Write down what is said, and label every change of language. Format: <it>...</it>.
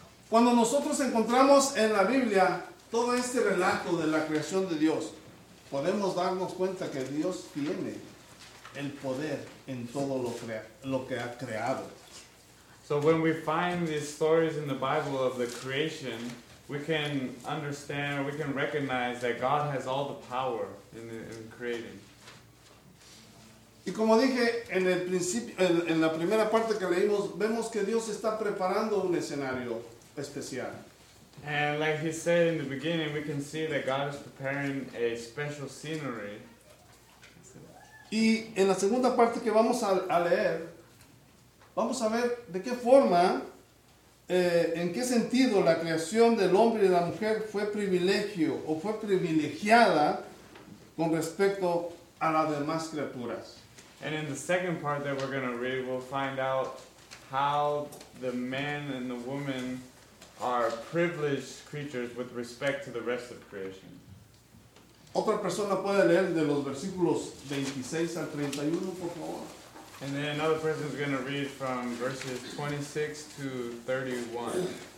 <es>Cuando nosotros encontramos en la Biblia todo este relato de la creación de Dios, podemos darnos cuenta que Dios tiene el poder en todo lo que ha creado.</es> <en>So when we find these stories in the Bible of the creation, we can understand, we can recognize that God has all the power in creating.</en> <es>Y como dije en el principio, en la primera parte que leímos, vemos que Dios está preparando un escenario especial.</es> <en>And like he said in the beginning, we can see that God is preparing a special scenery.</en> <es>Y en la segunda parte que vamos a leer, vamos a ver de qué forma, en qué sentido la creación del hombre y la mujer fue privilegio o fue privilegiada con respecto a las demás criaturas.</es> <en>And in the second part that we're going to read, we'll find out how the man and the woman are privileged creatures with respect to the rest of creation.</en> <es>Otra persona puede leer de los versículos 26 al 31, por favor.</es> <en>And then another person is going to read from verses 26 to 31.</en>